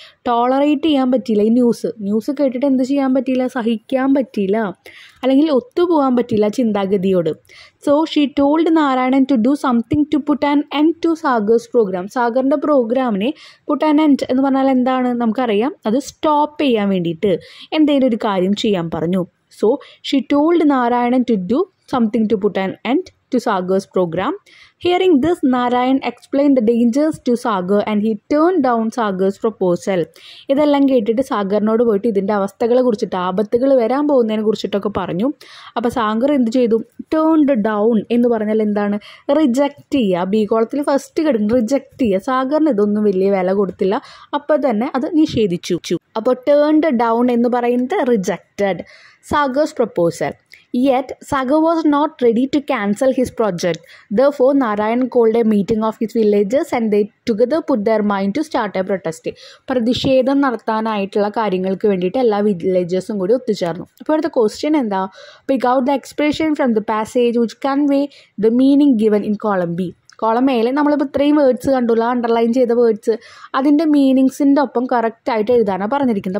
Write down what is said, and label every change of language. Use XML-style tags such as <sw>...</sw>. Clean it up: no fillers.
<ml>Tolerate ചെയ്യാൻ പറ്റിയില്ല ഈ ന്യൂസ്, ന്യൂസ് കേട്ടിട്ട് എന്ത് ചെയ്യാൻ പറ്റിയില്ല, സഹിക്കാൻ പറ്റിയില്ല, അല്ലെങ്കിൽ ഒത്തുപോകാൻ പറ്റിയില്ല ചിന്താഗതിയോട്.</ml> <en>So she told Narayanan to do something to put an end to Sagar's program.</en> <ml>സാഗറിൻ്റെ പ്രോഗ്രാമിനെ പുട്ട് ആൻ എൻഡ് എന്ന് പറഞ്ഞാൽ എന്താണ് നമുക്കറിയാം, അത് സ്റ്റോപ്പ് ചെയ്യാൻ വേണ്ടിയിട്ട് എന്തെങ്കിലും ഒരു കാര്യം ചെയ്യാൻ പറഞ്ഞു.</ml> <en>So, she told Narayan to do something to put an end to Sagar's program. Hearing this, Narayan explained the dangers to Sagar and he turned down Sagar's proposal.</en> <ml>ഇതെല്ലാം കേട്ടിട്ട് സാഗറിനോട് പോയിട്ട് ഇതിൻ്റെ അവസ്ഥകളെ കുറിച്ചിട്ട്, ആപത്തുകൾ വരാൻ പോകുന്നതിനെ കുറിച്ചിട്ടൊക്കെ പറഞ്ഞു. അപ്പോൾ സാഗർ എന്ത് ചെയ്തു, ടേൺഡ് ഡൗൺ എന്ന് പറഞ്ഞാൽ എന്താണ്, റിജക്റ്റ് ചെയ്യുക, ബി കോളത്തിൽ ഫസ്റ്റ് കിടക്കും, റിജക്റ്റ് ചെയ്യുക. സാഗറിന് ഇതൊന്നും വലിയ വില കൊടുത്തില്ല, അപ്പോൾ തന്നെ അത് നിഷേധിച്ചു. അപ്പോൾ ടേൺഡ് ഡൗൺ എന്ന് പറയുന്നത് rejected Sagar's proposal.</ml> <en>Yet, Sagar was not ready to cancel his project. Therefore, Narayan called a meeting of his villagers and they together put their mind to start a protest.</en> <ml>പ്രതിഷേധം നടത്താനായിട്ടുള്ള കാര്യങ്ങൾക്ക് വേണ്ടിയിട്ട് എല്ലാ വില്ലേജേഴ്സും കൂടി ഒത്തുചേർന്നു. അപ്പോൾ ഇവിടുത്തെ question എന്താ,</ml> <en>Pick out the expression from the passage which convey the meaning given in column B.</en> <ml>Column എയിൽ നമ്മളിപ്പോൾ ഇത്രയും വേർഡ്സ് കണ്ടുള്ള അണ്ടർലൈൻ ചെയ്ത വേർഡ്സ് അതിൻ്റെ മീനിങ്സിൻ്റെ ഒപ്പം കറക്റ്റ് ആയിട്ട് എഴുതാനാണ് പറഞ്ഞിരിക്കുന്നത്.</ml>